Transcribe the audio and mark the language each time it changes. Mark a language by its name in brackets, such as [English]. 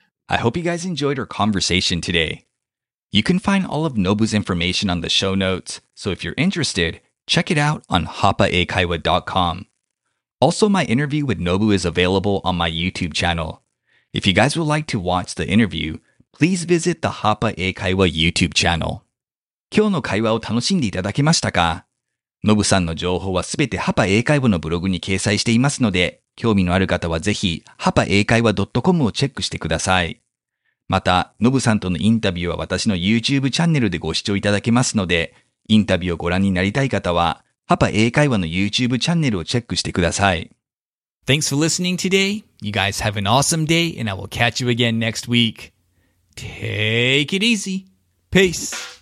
[English] I hope you guys enjoyed our conversation today. You can find all of Nobu's information on the show notes. So if you're interested, check it out on hapaekaiwa.com. Also, my interview with Nobu is available on my YouTube channel. If you guys would like to watch the interview, please visit the Hapa Eikaiwa YouTube channel. [Japanese] 今日の会話を楽しんでいただけましたか？Nobu さんの情報はすべて Hapa Eikaiwa のブログに掲載していますので、興味のある方はぜひ hapaeikaiwa.com をチェックしてください。また、Nobu さんとのインタビューは私の YouTube チャンネルでご視聴いただけますので、インタビューをご覧になりたい方は、パパ英会話の YouTube チャンネルをチェックしてください。 [English] Thanks for listening today. You guys have an awesome day, and I will catch you again next week. Take it easy. Peace.